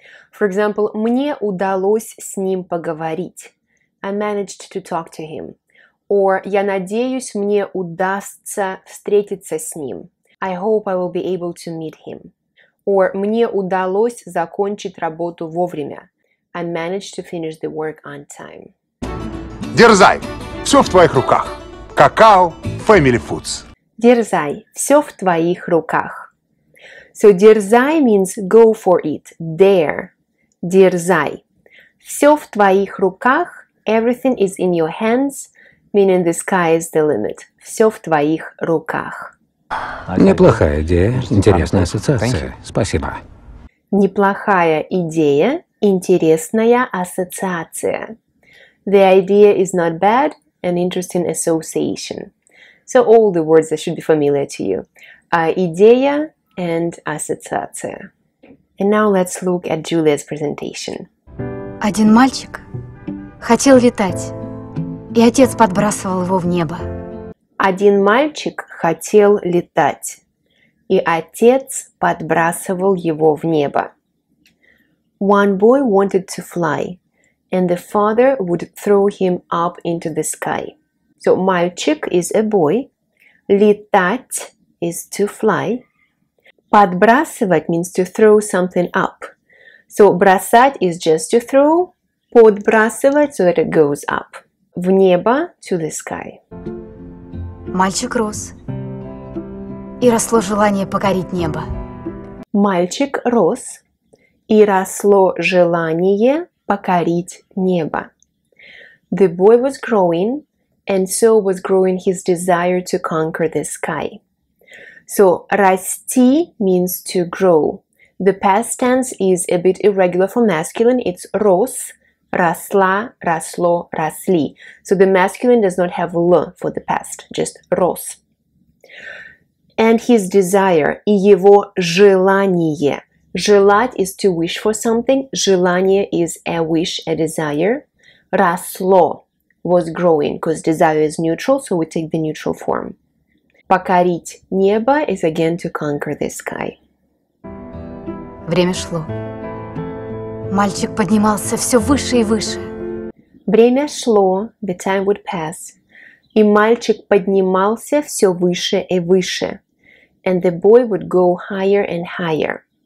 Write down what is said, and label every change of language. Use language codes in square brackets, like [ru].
[en] For example, [ru] мне удалось с ним поговорить. [en] I managed to talk to him. [ru] Or я надеюсь, мне удастся встретиться с ним. [en] I hope I will be able to meet him. [ru] Or мне удалось закончить работу вовремя. [en] I managed to finish the work on time. [ru] Дерзай! Все в твоих руках. Какао Family Foods. Дерзай! Все в твоих руках. So дерзай [en] means go for it. Dare. [ru] Дерзай. Все в твоих руках. [en] Everything is in your hands. Meaning the sky is the limit. [ru] Все в твоих руках. Неплохая идея. Интересная ассоциация. Спасибо. Неплохая идея. Интересная ассоциация. [en] The idea is not bad, an interesting association. So all the words that should be familiar to you. Идея and ассоциация. And now let's look at Julia's presentation. [ru] Один мальчик хотел летать, и отец подбрасывал его в небо. Один мальчик хотел летать, и отец подбрасывал его в небо. [en] One boy wanted to fly. And the father would throw him up into the sky. So, мальчик is a boy. Летать is to fly. Подбрасывать means to throw something up. So, бросать is just to throw. Подбрасывать so that it goes up. [ru] В небо, [en] to the sky. [ru] Мальчик рос. И росло желание покорить небо. Мальчик рос. И росло желание покорить небо. [en] The boy was growing, and so was growing his desire to conquer the sky. So, расти means to grow. The past tense is a bit irregular for masculine. [ru] It's рос, росла, росло, росли. [en] So, the masculine does not have л for the past, just рос. And his desire, [ru] и его желание. [en] Желать is to wish for something. Желание is a wish, a desire. Росло was growing, because desire is neutral, so we take the neutral form. Покорить небо is again to conquer the sky. [ru] Время шло. Мальчик поднимался все выше и выше. Время шло, [en] the time would pass. [ru] И мальчик поднимался все выше и выше. [en] And the boy would go higher and higher.